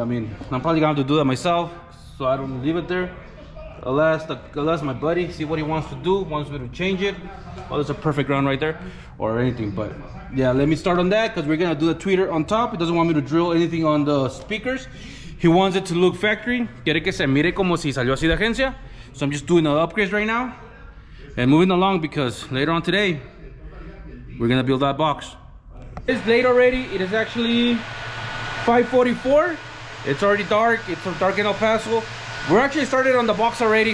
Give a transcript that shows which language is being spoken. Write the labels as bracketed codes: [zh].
[en] I mean, I'm probably gonna have to do that myself, so I don't leave it there. Unless my buddy, see what he wants to do, wants me to change it. Oh, there's a perfect ground right there, or anything. But yeah, let me start on that, because we're gonna do the tweeter on top. He doesn't want me to drill anything on the speakers. He wants it to look factory. [es] Quiere que se mire como si salió así de agencia. [en] So I'm just doing the upgrades right now and moving along because later on today, we're gonna build that box. It's late already. It is actually 5:44. It's already dark. It's dark in El Paso. We're actually started on the box already.